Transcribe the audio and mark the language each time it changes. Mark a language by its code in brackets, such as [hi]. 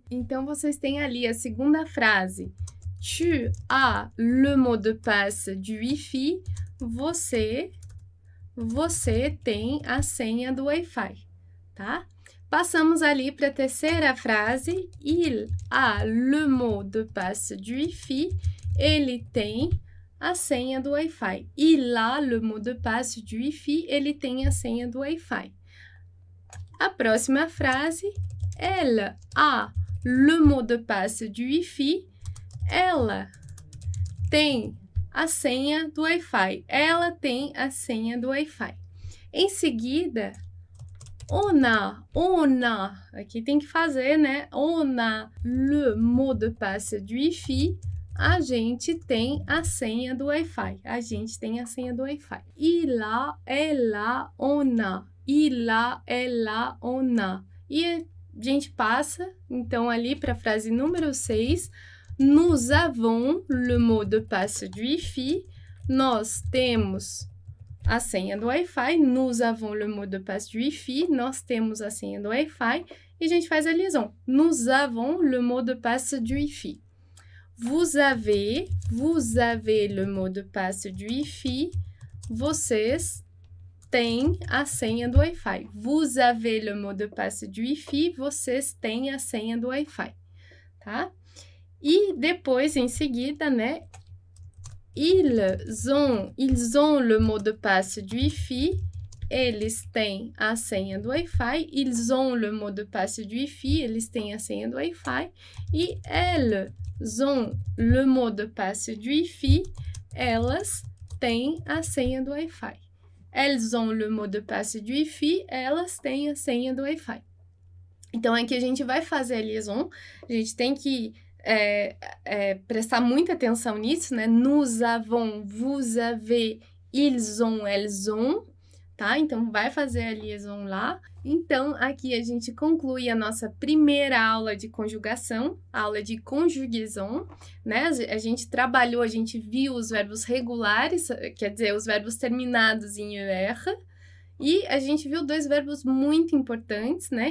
[pt] Então vocês têm ali a segunda frase. [fr] Tu as le mot de passe du Wi-Fi. [pt] Você tem a senha do Wi-Fi, tá? Passamos ali para a terceira frase. [fr] Il a le mot de passe du Wi-Fi. [pt] Ele tem a senha do Wi-Fi. [fr] Il a le mot de passe du Wi-Fi. [pt] Ele tem a senha do Wi-Fi. A próxima frase. [fr] Elle a le mot de passe du Wi-Fi. [pt] Ela tem a senha do Wi-Fi. Ela tem a senha do Wi-Fi. Em seguida, on a, aqui tem que fazer, né? [fr] On a le mot de passe du Wi-Fi. [pt] A gente tem a senha do Wi-Fi. A gente tem a senha do Wi-Fi. Il a, ela, on a. Il a, ela, on a. E a gente passa, então, ali para a frase número 6. [fr] Nous avons le mot de passe du Wi-Fi. [pt] Nós temos a senha do Wi-Fi. [fr] Nous avons le mot de passe du Wi-Fi. [pt] Nós temos a senha do Wi-Fi. E a gente faz a liaison. [fr] Nous avons le mot de passe du Wi-Fi. Vous avez le mot de passe du Wi-Fi. [pt] Vocês têm a senha do Wi-Fi. [fr] Vous avez le mot de passe du Wi-Fi. [pt] Vocês têm a senha do Wi-Fi. Tá? E depois, em seguida, né? [fr] Ils ont le mot de passe du Wi-Fi. [pt] Eles têm a senha do Wi-Fi. [fr] Ils ont le mot de passe du Wi-Fi. [pt] Eles têm a senha do Wi-Fi. E [fr] elles ont le mot de passe du Wi-Fi. [pt] Elas têm a senha do Wi-Fi. [fr] Elles ont le mot de passe du Wi-Fi. [pt] Elas têm a senha do Wi-Fi. Então, aqui a gente vai fazer a liaison. A gente tem que prestar muita atenção nisso, né? [fr] Nous avons, vous avez, ils ont, elles ont. [pt] Tá? Então, vai fazer a liaison lá. Então, aqui a gente conclui a nossa primeira aula de conjugação, aula de conjugaison, né? A gente trabalhou, a gente viu os verbos regulares, quer dizer, os verbos terminados em ER, e a gente viu dois verbos muito importantes, né?